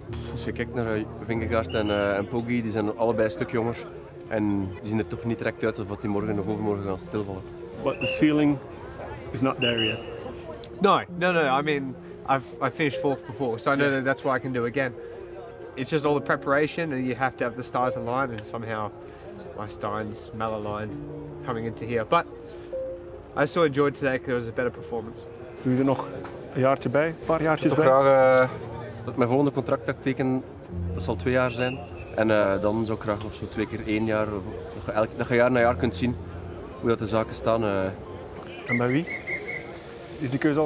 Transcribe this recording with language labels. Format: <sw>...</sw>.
<nl>Als je kijkt naar Vingegaard en Poggi, die zijn allebei een stuk jonger. En die zien er toch niet direct uit of die morgen of overmorgen gaan stilvallen.</nl> <en>But the ceiling is not there yet. No. I mean, I finished fourth before, so I know that's what I can do again. It's just all the preparation, and you have to have the stars aligned, and somehow my Steins malaligned coming into here. But I still enjoyed today because it was a better performance.</en> <nl>Doe je er nog een jaartje bij? Een paar jaartjes bij? Ik zou graag dat mijn volgende contract dat ik teken, dat zal 2 jaar zijn. En dan zou ik graag of zo 2 keer 1 jaar, of, dat je jaar na jaar kunt zien hoe dat de zaken staan. En bij wie? Is die keuze al</nl>